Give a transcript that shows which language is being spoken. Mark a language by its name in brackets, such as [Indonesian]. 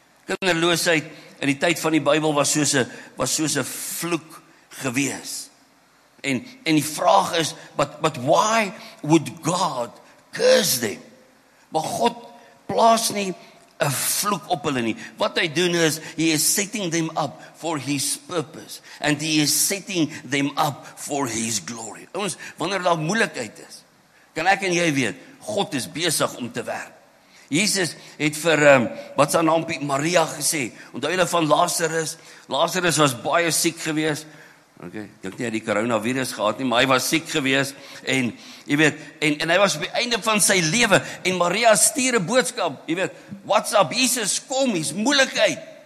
[Afrikaans] Kinderloosheid in die tyd van die Bybel was soos 'n vloek gewees. En die vraag is, [English] but why would God curse them? [Afrikaans] Maar God plaas nie 'n vloek op hulle nie. Wat hy doen is, [English] he is setting them up for his purpose. And he is setting them up for his glory. [Afrikaans] Ons, wanneer daar moeilikheid is, kan ek en jy weet, God is besig om te werk. Jesus het vir, wat sy naam Piet Maria gesê, onthou julle van Lazarus, Lazarus was baie siek gewees, ok, ek denk nie hy die coronavirus gehad nie, maar hy was siek gewees, en, jy weet, en hy was op die einde van sy leven, en Maria stuur 'n boodskap, jy weet, [English] what's up, [Afrikaans] Jesus, kom, hier's moeilikheid,